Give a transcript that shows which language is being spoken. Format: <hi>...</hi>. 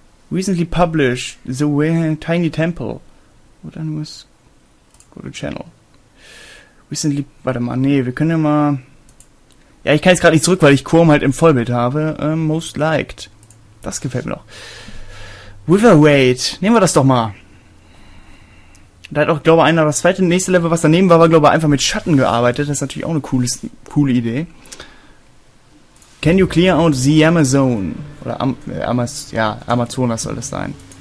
<en>Recently published The Tiny Temple.</en> <de>Oh, dann muss...</de> <en>Go to Channel. Recently...</en> <de>Warte mal, nee, wir können ja mal... Ja, ich kann jetzt gerade nicht zurück, weil ich Quorum halt im Vollbild habe.</de> <en>Most liked.</en> <de>Das gefällt mir noch. Witherwaite. Nehmen wir das doch mal. Da hat auch, glaube ich, einer das zweite nächste Level, was daneben war, war, glaube ich, einfach mit Schatten gearbeitet. Das ist natürlich auch eine coole Idee.</de> <en>Can you clear out the Amazon?</en> <de>Oder Amazonas soll das sein.</de>